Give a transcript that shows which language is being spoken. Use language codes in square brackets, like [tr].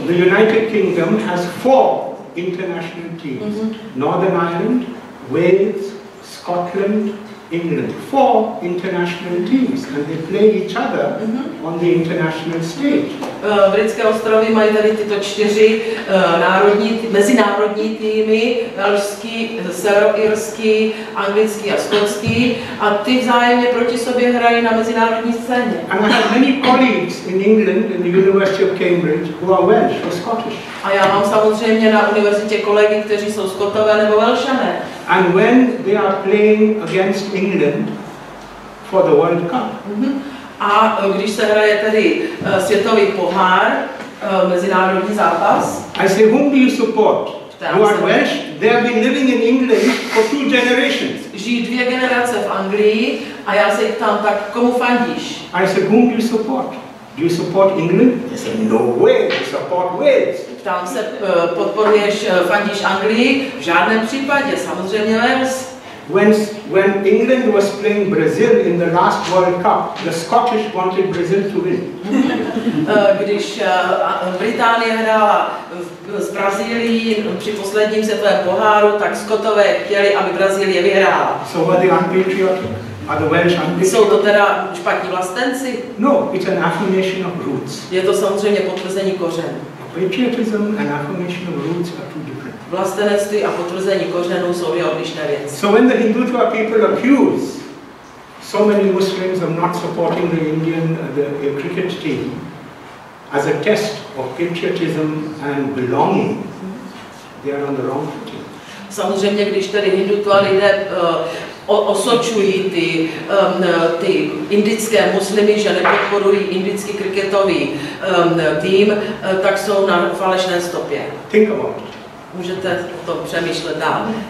[en] The United Kingdom has four international teams. Northern Ireland, Wales, Scotland, England. Four international teams and they play each other on the international stage. [cs] Britské ostrovy mají tady tyto čtyři mezinárodní týmy, velšský, severoirský, anglický a skotský a ty vzájemně proti sobě hrají na mezinárodní scéně. [en] And I have many colleagues in England in the University of Cambridge who are Welsh or Scottish. [cs] A já mám samozřejmě na univerzitě kolegy, kteří jsou Skotové nebo Velšané. [en] And when they are playing against England for the World Cup. [cs] A když se hraje tedy světový pohár, mezinárodní zápas. [en] I say, whom do you support? Who are Welsh? They have been living in England for two generations. [cs] Žijí dvě generace v Anglii a já se jich tam, tak komu fandíš? [en] I say, whom do you support? Do you support England? I said, no way, you support Wales. [cs] Tam se podporuješ, fandíš Anglii? V žádném případě, samozřejmě Wales. [en] When England was playing Brazil in the last World Cup, the Scottish wanted Brazil to win. [cs] Když Británie hrála s Brazílií při posledním světovém poháru, tak Skotové chtěli, aby Brazílie vyhrála. [en] So were the unpatriotic? Are the Welsh unpatriotic? [cs] Jsou to teda špatní vlastenci? [en] No, it's an affirmation of roots. [cs] Je to samozřejmě potvrzení kořen. [en] Patriotism and affirmation of roots are two different. [cs] Vlastenectví a potvrzení kořenů jsou dvě odlišné věci. [en] So when the Hindutva people accuse so many Muslims of not supporting the Indian the cricket team as a test of patriotism and belonging, they are on the wrong footing. [cs] Samozřejmě, když tady Hindutva lidé osočují ty indické muslimy, že nepodporují indický kriketový tým, tak jsou na falešné stopě. [en] Think about it. [cs] Můžete o tom přemýšlet dál.